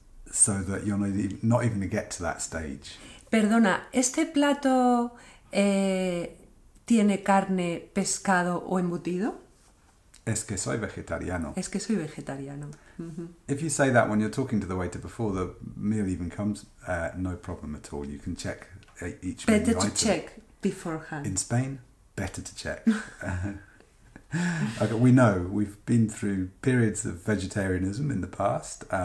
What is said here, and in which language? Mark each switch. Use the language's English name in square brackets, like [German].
[English] So that you're not even to get to that stage. [Spanish] Perdona, ¿este plato tiene carne, pescado o embutido? Es que soy vegetariano. Es que soy vegetariano. Mm-hmm. [English] If you say that when you're talking to the waiter before the meal even comes, no problem at all. You can check each menu item. Better to check beforehand. In Spain, better to check. Okay, we know. We've been through periods of vegetarianism in the past.